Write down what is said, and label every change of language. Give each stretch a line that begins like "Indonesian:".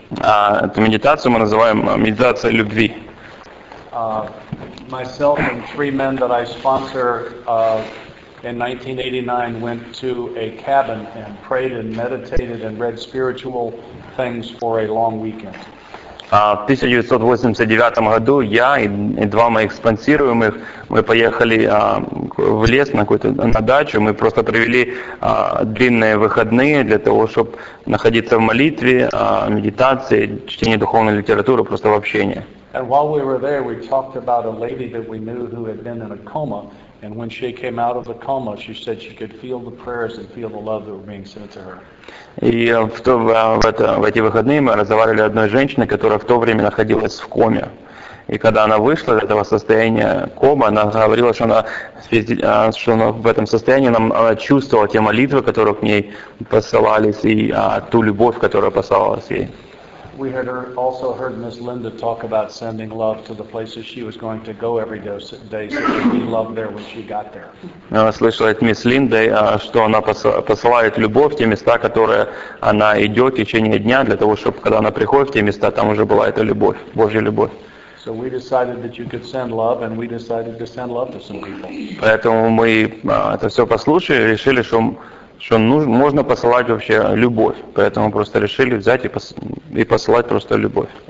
Russian: Эту медитацию мы называем медитацией любви.
English: Myself and three men that I sponsor in 1989 went to a cabin and prayed and meditated and read spiritual things for a long weekend.
Russian: В 1989 году я и два моих спонсируемых, мы поехали в лес на дачу, мы просто провели длинные выходные для того, чтобы находиться в молитве, медитации, чтении духовной литературы, просто в общении.
English: And while we were there, we talked about a lady that we knew who had been in a coma. And when she came out of the coma, she said she could feel the prayers and feel the love that were being sent to her.
Russian: И в эти выходные мы разговаривали с одной женщиной, которая в то время находилась в коме. И когда она вышла из этого состояния комы, она говорила, что она в этом состоянии она чувствовала те молитвы, которые к ней посылались, и ту любовь, которая посылалась ей.
English: We had also heard Miss Linda talk about sending love to the places she was going to go every day, so she could be loved there when she got there.
Russian: Слышала от мисс Линды, что она посылает любовь в те места, которые она идет в течение дня, для того, чтобы когда она приходит в те места, там уже была эта любовь, Божья любовь.
English: So we decided that you could send love, and we decided to send love to some people.
Russian: Поэтому мы это все послушали, решили, что можно посылать вообще любовь. Поэтому просто решили взять и посылать просто любовь.